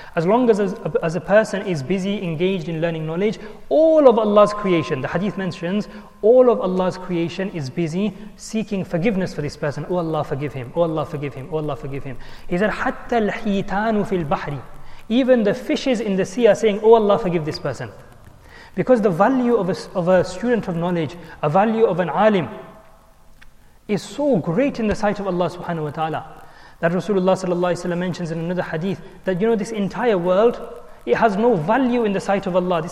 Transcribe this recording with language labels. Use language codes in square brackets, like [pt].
[en] As long as a person is busy, engaged in learning knowledge, all of Allah's creation, the hadith mentions, all of Allah's creation is busy seeking forgiveness for this person. Oh Allah, forgive him. Oh Allah, forgive him. Oh Allah, forgive him. He said, [ar] حَتَّى الْحِيْتَانُ فِي الْبَحْرِ. [en] Even the fishes in the sea are saying, oh Allah, forgive this person. Because the value of a student of knowledge, a value of an alim, is so great in the sight of Allah subhanahu wa ta'ala that Rasulullah sallallahu alayhi wa sallam mentions in another hadith that, you know, this entire world, it has no value in the sight of Allah.